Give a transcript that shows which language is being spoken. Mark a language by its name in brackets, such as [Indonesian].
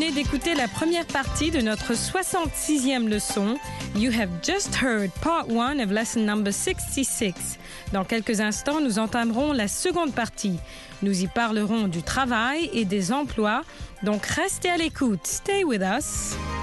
[French] Écoutez la première partie de notre 66e leçon. [English] You have just heard part one of lesson number 66. [French] Dans quelques instants, nous entamerons la seconde partie. Nous y parlerons du travail et des emplois. Donc, restez à l'écoute. [English] Stay with us.